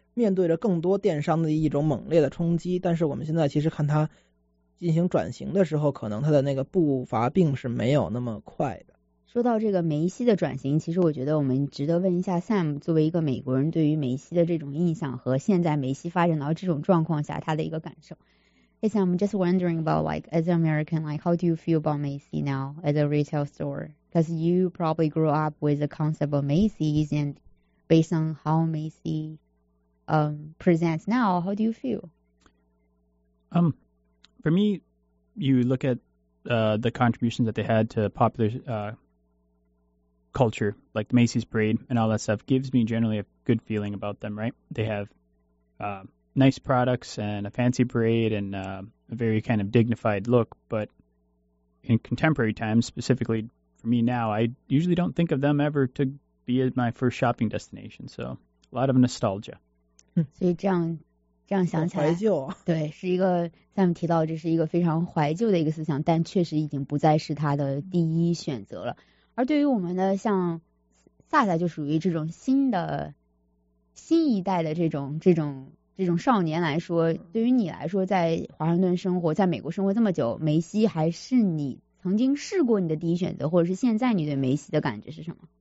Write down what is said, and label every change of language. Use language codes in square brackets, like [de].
[zh] 面对着更多电商的一种猛烈的冲击，但是我们现在其实看它进行转型的时候，可能它的那个步伐并是没有那么快的。说到这个梅西的转型，其实我觉得我们值得问一下 Sam， 作为一个美国人，对于梅西的这种印象和现在梅西发展到这种状况下他的一个感受。 [en] Hey Sam, I'm just wondering about, like, as an American, like, how do you feel about Macy now as a retail store? Because you probably grew up with the concept of Macy's, and based on how Macy presents now, how do you feel? For me, you look at the contributions that they had to popular culture, like the Macy's Parade and all that stuff, gives me generally a good feeling about them, right? They have... nice products and a fancy parade and a very kind of dignified look. But in contemporary times, specifically for me now, I usually don't think of them ever to be my first shopping destination. So a lot of nostalgia. [zh] 所以这样想起来，怀旧，对，是一个 Sam 提到这是一个非常怀旧的一个思想，但确实已经不再是他的第一选择了。而对于我们的像萨萨就属于这种新一代的这种少年来说，对于你来说，在华盛顿生活，在美国生活这么久，梅西还是你曾经试过你的第一选择，或者是现在你对梅西的感觉是什么？